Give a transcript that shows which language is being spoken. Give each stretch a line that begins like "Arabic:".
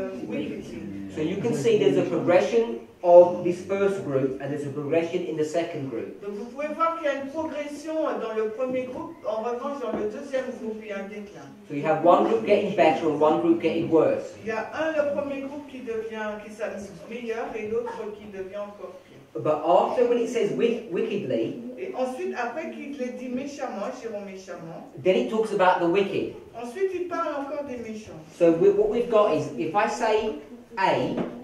English: wickedly. So you can see there's a progression of this first group and there's a progression in the second group.
French: Donc vous pouvez voir qu'il y a une progression dans le premier groupe, en revanche dans le deuxième groupe il y a un déclin.
English: So you have one group getting better and one group getting worse.
French: Il y a un le premier groupe qui s'améliore meilleur et l'autre qui devient encore.
English: But after when it says wickedly,
French: et ensuite après qu'il dit méchamment, j'irai méchamment.
English: Then it talks about the wicked.
French: Ensuite il parle encore des méchants.
English: So what we've got is, if I say A,